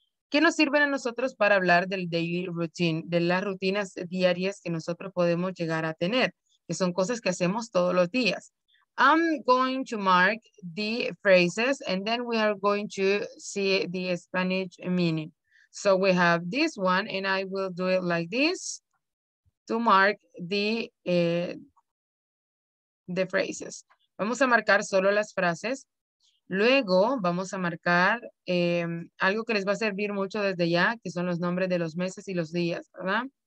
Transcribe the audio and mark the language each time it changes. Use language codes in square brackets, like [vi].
[es] ¿Qué nos sirven a nosotros para hablar del daily routine, de las rutinas diarias que nosotros podemos llegar a tener, que son cosas que hacemos todos los días? [en] I'm going to mark the phrases and then we are going to see the Spanish meaning. So we have this one and I will do it like this to mark the phrases. [es] Vamos a marcar solo las frases. Luego vamos a marcar algo que les va a servir mucho desde ya, que son los nombres de los meses y los días, ¿verdad?